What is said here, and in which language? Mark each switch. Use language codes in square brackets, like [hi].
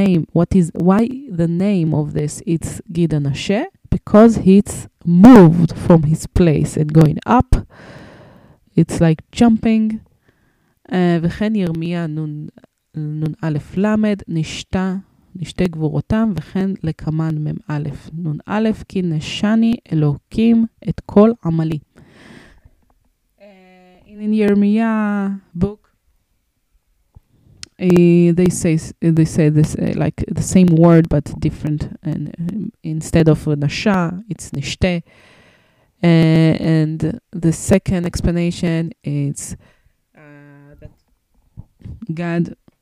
[en] Why the name of this it's גיד הנשה? Because he's moved from his place and going up. It's like jumping. [he] וכן ירמיה נון א' למד, נשתה גבורותם, וכן לקמן מם א' נון א', כי נשני אלוקים את כל עמלי. [en] In Yirmiya book, they say this like the same word, but different. And instead of nasha, it's nishte. And the second explanation is that God...